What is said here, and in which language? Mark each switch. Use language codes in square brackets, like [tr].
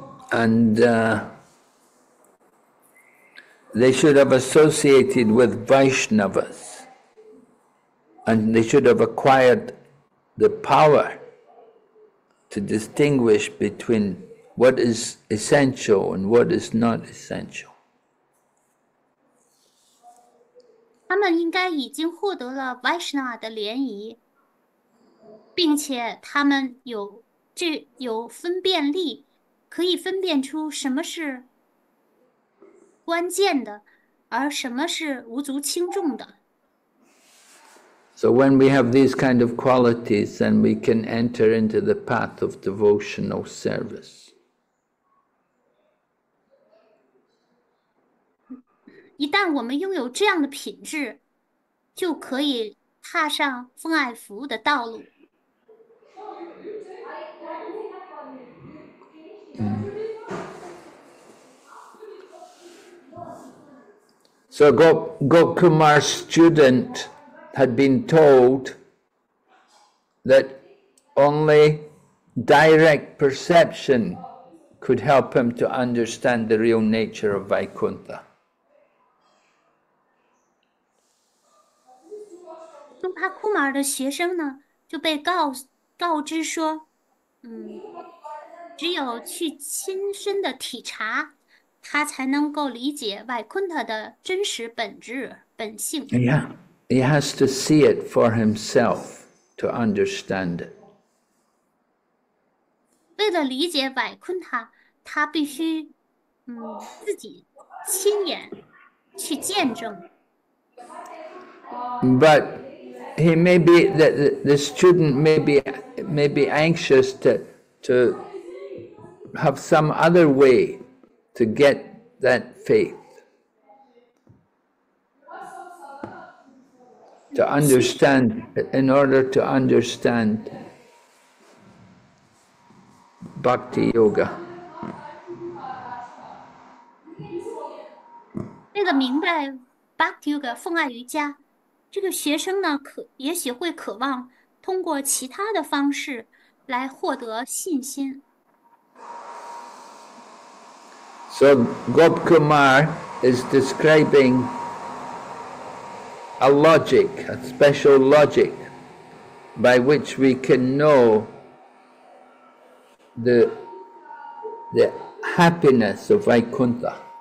[en] And they should have associated with Vaishnavas, and they should have acquired the power to distinguish between what is essential and what is not essential. [zh] 他们应该已经获得了 Vaishnava 的联谊，并且他们有分辨力，可以分辨出什么是关键的，而什么是无足轻重的。 [en] So when we have these kind of qualities, then we can enter into the path of devotional service. [zh] 一旦我们拥有这样的品质，就可以踏上奉爱服务的道路。 [en] So Gokumar's student had been told that only direct perception could help him to understand the real nature of Vaikuntha. [zh] 苏帕库马尔的学生呢，就被告知说："只有去亲身的体察，他才能够理解外昆特的真实本质、本性。 [en] Yeah, he has to see it for himself to understand it. [zh] ”为了理解外昆特，他必须自己亲眼去见证。 [en] But he may be the student may be anxious to have some other way to get that faith. To understand, in order to understand Bhakti Yoga. [zh] 为了明白 Bhakti Yoga 奉爱瑜伽，这个学生呢，也许会渴望通过其他的方式来获得信心。 [en] So Gop Kumar is describing a logic, a special logic, by which we can know the happiness of Vaikuntha.